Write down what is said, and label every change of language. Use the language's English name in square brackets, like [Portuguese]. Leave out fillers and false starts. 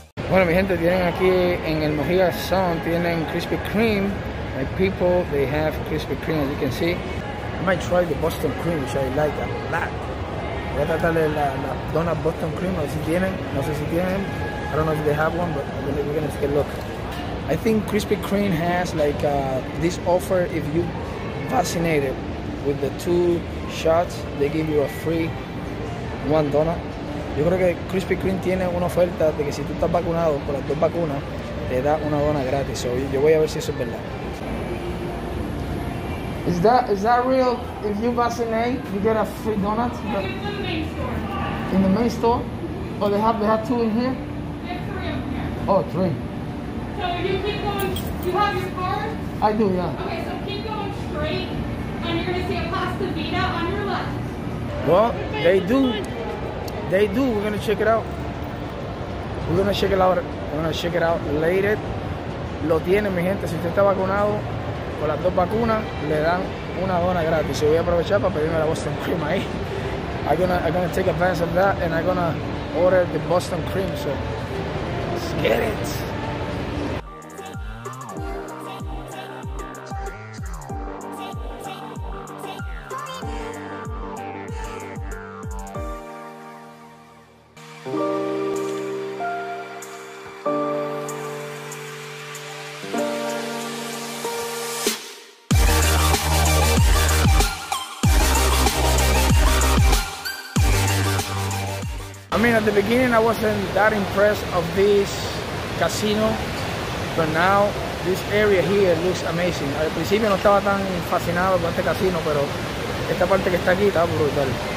[Spanish] Bueno, mi gente, tienen aquí en el Mohegan Sun, tienen Krispy Kreme. [English] My people, they have Krispy Kreme, as you can see. I might try the Boston Cream, which I like a lot. [Spanish] Voy a tratar de la donut Boston Cream, a ver si tienen. No sé si tienen. [English] I don't know if they have one, but we're going to take a look. I think Krispy Kreme has like this offer. If you vaccinated with the two shots, they give you a free one donut. [Spanish] Yo creo que Krispy Kreme tiene una oferta de que si tú estás vacunado con las dos vacunas, te da una dona gratis. So, yo voy a ver si eso es verdad. [English] Is that real? If you vaccinate, you get a free donut? I think in the main store. In the main store? Oh, they have two in here? They have three in here. Oh, three. So you keep going, you have your card? I do, yeah. Okay, so keep going straight, and you're going to see a Pasta Vida on your left. Well, they do. They do. We're gonna check it out. We're gonna check it out. We're gonna check it out later. [Spanish] Lo tienen, mi gente. Si usted está vacunado con las dos vacunas, le dan una dona gratis. Yo voy a aprovechar para pedirme la Boston Cream ahí. [English] I'm gonna take advantage of that and I'm gonna order the Boston Cream. So let's get it. I mean, at the beginning I wasn't that impressed of this casino, but now this area here looks amazing. [Spanish] Al principio no estaba tan fascinado con este casino, pero esta parte que está aquí está brutal.